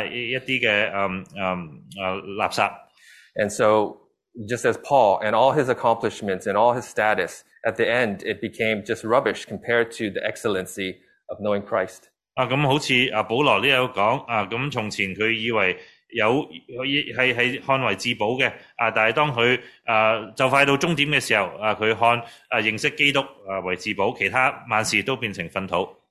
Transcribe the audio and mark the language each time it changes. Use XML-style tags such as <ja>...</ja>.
<zh>從前這些水對於他們來說是寶貴的,現今變成了一些垃圾。</zh> <en>And so, just as Paul and all his accomplishments and all his status, at the end, it became just rubbish compared to the excellency of knowing Christ.</en> <zh>好像保罗这样说,从前他以为是看为至宝的,但是当他就快到终点的时候,他看认识基督为至宝,其他万事都变成粪土。</zh>